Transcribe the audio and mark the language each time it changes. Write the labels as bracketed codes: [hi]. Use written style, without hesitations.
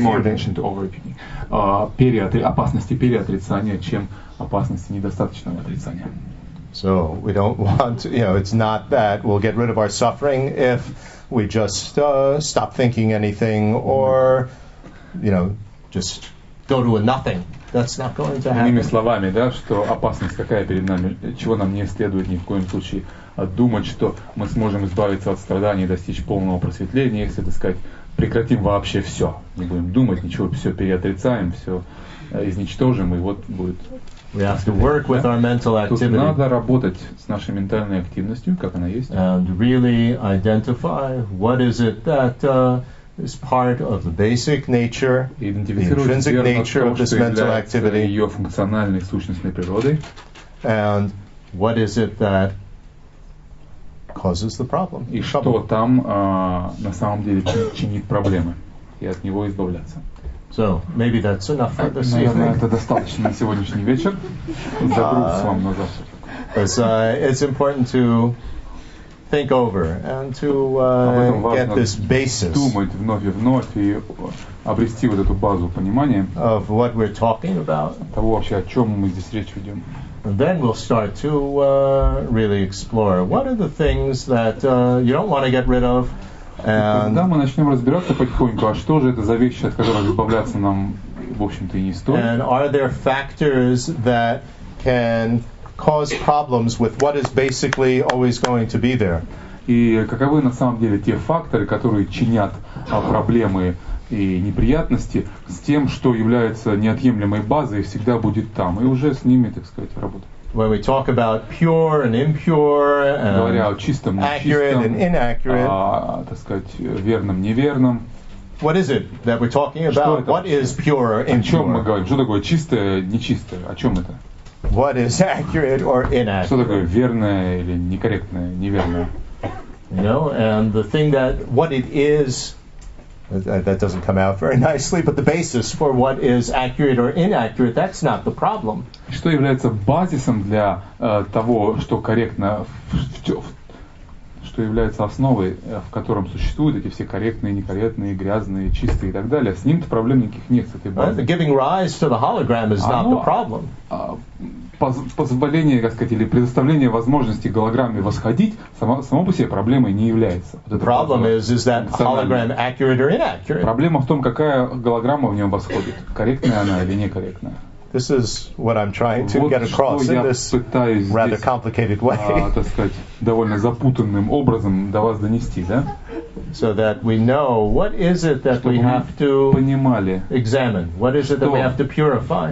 [en] More attention to over-refuting. [ru] Опасности переотрицания, чем опасности недостаточного отрицания. [en] So, we don't want, you know, it's not that we'll get rid of our suffering if we just stop thinking anything or, you know, just go to a nothing. That's not going to happen. [ru] Иными словами, да, что опасность какая перед нами, чего нам не следует ни в коем случае думать, что мы сможем избавиться от страданий, достичь полного просветления, если, так сказать, прекратим вообще все. Не будем думать, ничего, все переотрицаем, все изничтожим, и вот будет. [en] We have to work with our mental activity. [ru] Тут надо работать с нашей ментальной активностью, как она есть. [en] And really identify what is it that is part of the basic nature, the intrinsic nature of this mental activity, [ru] ее функциональной сущностной природой. [en] And what is it that causes the problem? [ru] И что там на самом деле чинит проблемы, и от него избавляться. [en] So maybe that's enough for this evening. [ru] Это достаточно на сегодняшний вечер. Загрузь вам на завтрак. [en] It's important to think over and to get this basis. [ru] Думать вновь и вновь и обрести вот эту базу понимания. [en] Of what we're talking about. [ru] Того вообще, о чем мы здесь речь ведем. [en] And then we'll start to really explore what are the things that you don't want to get rid of. [ru] And когда мы начнем разбираться потихоньку, а что же это за вещи, от которых избавляться нам, в общем-то, и не стоит? [en] And are there factors that can cause problems with what is basically always going to be there? [ru] И каковы на самом деле те факторы, которые чинят проблемы и неприятности с тем, что является неотъемлемой базой и всегда будет там, и уже с ними, так сказать, работать. [en] When we talk about pure and impure and [ru] чистом, [en] accurate and inaccurate, [ru] так сказать, верным, неверным. [en] What is it that we're talking about? What is pure or impure? [ru] О чем мы говорим? Что такое чистое, нечистое? О чем это? [en] What is accurate or inaccurate? [ru] Что такое верное или некорректное, неверное? [en] No, and the thing that what it is. That doesn't come out very nicely, but the basis for what is accurate or inaccurate, that's not the problem. [ru] Что является базисом для того, что корректно, что является основой, в котором существуют эти все корректные, некорректные, грязные, чистые и так далее. С ним-то проблем никаких нет, с этой базой. [en] Giving rise to the hologram is not the problem. [ru] Позволение, так сказать, или предоставление возможности голограмме восходить само по себе проблемой не является. [en] Вот problem is that hologram accurate or inaccurate? [ru] Проблема в том, какая голограмма в нем восходит, корректная она или некорректная. [en] This is what I'm trying to get across in this rather complicated way. [ru] Так сказать, довольно запутанным образом до вас донести, да? [en] So that we know what is it that we have to [ru] понимали, [en] examine. What is it that we have to purify?